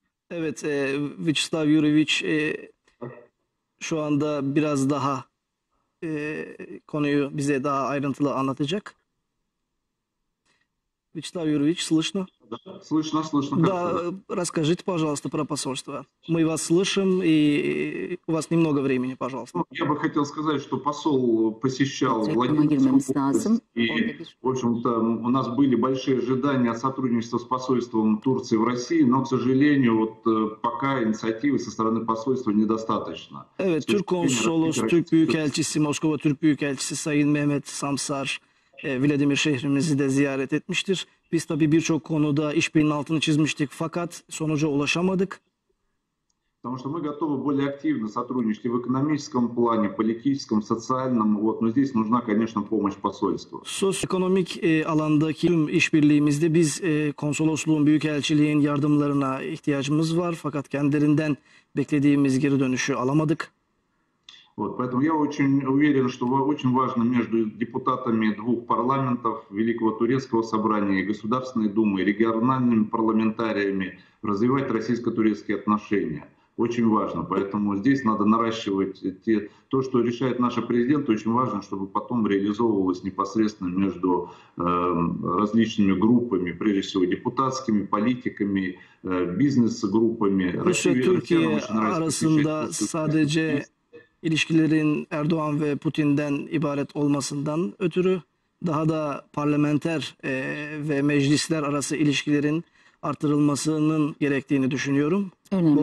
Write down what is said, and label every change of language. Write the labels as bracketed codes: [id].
[tr] Evet, Vyacheslav Юрьевич, şu anda biraz daha konuyu bize daha ayrıntılı anlatacak. Vyacheslav Юрьевич, [ru] слышно? Слышно, слышно, Да, хорошо, да. расскажите, пожалуйста, про посольство. Мы вас слышим, и у вас немного времени, пожалуйста. Ну, я бы хотел сказать, что посол посещал Владимирскую область, и, в общем-то, у нас были большие ожидания от сотрудничества с посольством Турции в России, но, к сожалению, вот пока инициативы со стороны посольства недостаточно. [tr] Evet, Türk Konsolos, Türk Büyükelçisi, Moskova Türk Büyükelçisi Sayın Mehmet Samsar, Vladimir şehrimizi de ziyaret etmiştir. Biz tabii birçok konuda işbirliğinin altını çizmiştik fakat sonuca ulaşamadık. [ru] Потому что мы готовы более активно сотрудничать в экономическом плане, политическом, социальном. Вот, но здесь нужна, конечно, помощь посольства. Sosyoekonomik alandaki tüm işbirliğimizde biz konsolosluğun, büyükelçiliğin yardımlarına ihtiyacımız var. Fakat kendilerinden beklediğimiz geri dönüşü alamadık. Вот, поэтому я очень уверен, что очень важно между депутатами двух парламентов, Великого Турецкого собрания и Государственной Думы, региональными парламентариями развивать российско-турецкие отношения. Очень важно. Поэтому здесь надо наращивать то, что решает наш президент, очень важно, чтобы потом реализовывалось непосредственно между различными группами, прежде всего депутатскими, политиками, бизнес-группами. [tr] Rusya-Türkiye arasında sadece ilişkilerin Erdoğan ve Putin'den ibaret olmasından ötürü daha da parlamenter ve meclisler arası ilişkilerin artırılmasının gerektiğini düşünüyorum. Önemli.